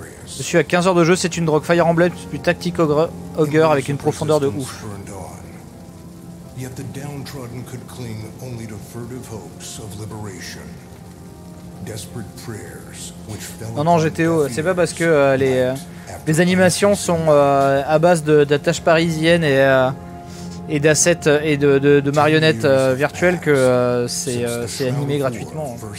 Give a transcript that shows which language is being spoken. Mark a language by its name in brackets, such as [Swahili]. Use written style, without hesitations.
[French] Je suis à 15 heures de jeu, c'est une drogue. Fire Emblem plus Tactique Ogre avec une profondeur de ouf. [English] Yet the downtrodden could cling only to furtive hopes of liberation. Desperate prayers which fell. [French] Non, GTO, c'est pas parce que les animations sont à base d'attaches parisiennes et d'assets et de marionnettes virtuelles que c'est animé gratuitement.